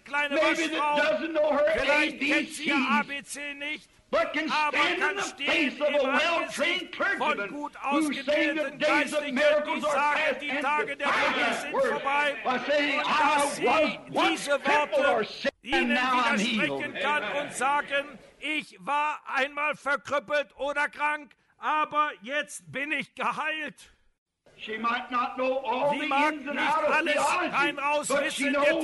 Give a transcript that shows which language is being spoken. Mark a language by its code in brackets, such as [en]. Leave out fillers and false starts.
[en] Maybe that doesn't know her ABC, but can stand in the face of a well-trained clergyman who say the days of miracles are past and defy that word by saying, I was once crippled or sick and now I'm healed. Amen. [de] Ich war einmal verkrüppelt oder krank, aber jetzt bin ich geheilt. [en] She might not know all [de] sie [en] the ins and outs of theology, but she knows